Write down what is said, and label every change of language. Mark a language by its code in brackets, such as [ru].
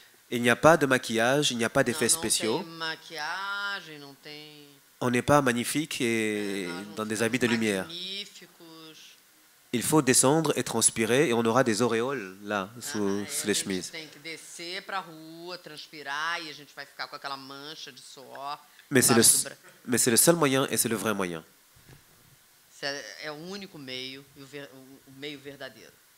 [fr] Il n'y a pas de maquillage, il n'y a pas d'effets spéciaux. [pt] Não tem maquiagem, não tem. [fr] On n'est pas magnifique et dans des habits de lumière. [pt] Magnificos. [fr] Il faut descendre et transpirer et on aura des auréoles là sous les chemises. [pt] A gente tem que descer para a rua, transpirar e a gente vai ficar com aquela mancha de suor. [fr] Mais c'est le seul moyen et c'est le vrai moyen. [pt] É o único meio e o meio verdadeiro.